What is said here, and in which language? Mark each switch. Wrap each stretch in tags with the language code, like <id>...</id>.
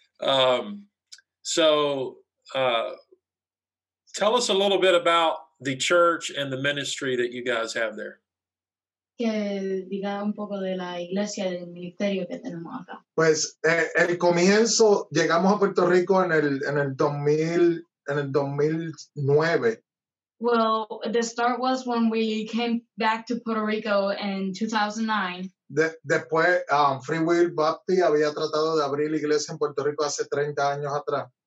<en>Tell us a little bit about the church and the ministry that you guys have there.</en> <es>Que diga un poco de la iglesia, del ministerio que tenemos acá. Pues el comienzo, llegamos a Puerto Rico en el 2009.</es> <en>Well, the start was when we came back to Puerto Rico in 2009.</en> <es>Después, Free Will Baptist había tratado de abrir la iglesia en Puerto Rico hace 30 años atrás.</es>